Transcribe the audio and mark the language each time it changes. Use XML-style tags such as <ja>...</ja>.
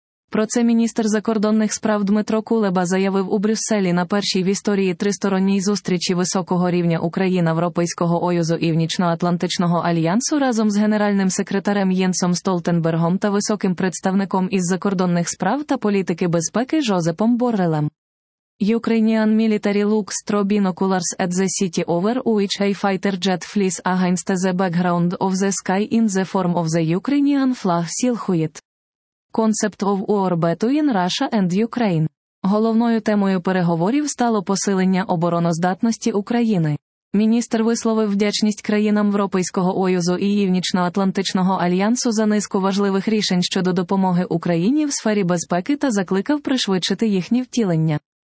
<uk>Про це міністр закордонних справ Дмитро Кулеба заявив у Брюсселі на першій в історії тристоронній зустрічі високого рівня Україна, Європейського Союзу і Північноатлантичного альянсу разом з генеральним секретарем Єнсом Столтенбергом та високим представником із закордонних справ та політики безпеки Жозепом Боррелем.</uk> <en>Ukrainian military looks through binoculars at the city over which a fighter jet flies against the background of the sky in the form of the Ukrainian flag silhouette. Concept of war between Russia and Ukraine.</en> <uk>Головною темою переговорів стало посилення обороноздатності України. Міністр висловив вдячність країнам Європейського Союзу і Північноатлантичного альянсу за низку важливих рішень щодо допомоги Україні в сфері безпеки та закликав пришвидшити їхнє втілення.</uk>